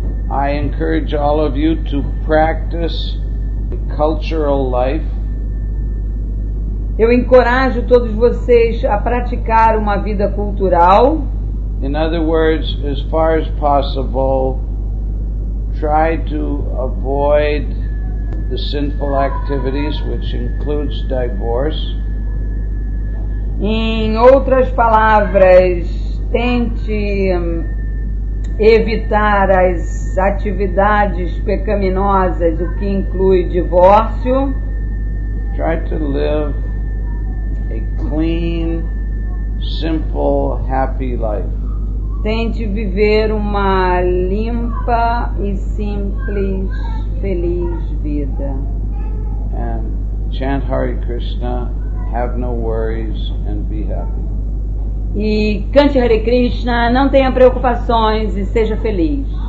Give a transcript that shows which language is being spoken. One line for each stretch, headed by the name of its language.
English: I encourage all of you to practice cultural life.
Portuguese: Eu encorajo todos vocês a praticar uma vida cultural.
English: In other words, as far as possible, try to avoid the sinful activities, which includes divorce.
Portuguese: Em outras palavras, tente evitar as atividades pecaminosas, o que inclui divórcio.
English: Try to live a clean, simple, happy life.
Portuguese: Tente viver uma limpa e simples, feliz vida.
English: And chant Hare Krishna, have no worries, and be happy.
Portuguese: E cante Hare Krishna, não tenha preocupações e seja feliz.